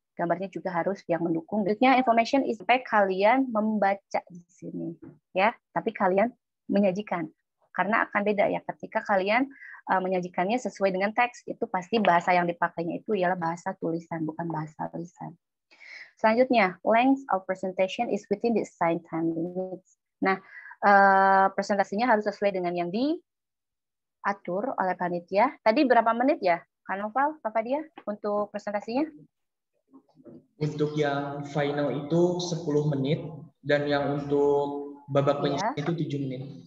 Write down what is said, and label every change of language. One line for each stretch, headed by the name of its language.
Indonesian: Gambarnya juga harus yang mendukung. Berikutnya
English: information is
Indonesian: supaya kalian membaca di sini, ya. Tapi kalian menyajikan, karena akan beda ya ketika kalian menyajikannya sesuai dengan teks. Itu pasti bahasa yang dipakainya itu ialah bahasa tulisan, bukan bahasa lisan. Selanjutnya,
English: length of presentation is within the assigned time limits.
Indonesian: Nah, presentasinya harus sesuai dengan yang diatur oleh panitia. Tadi berapa menit ya, Kanoval, Papa Dia, untuk presentasinya? Untuk yang final itu 10 menit, dan yang untuk babak penyisian ya itu 7 menit.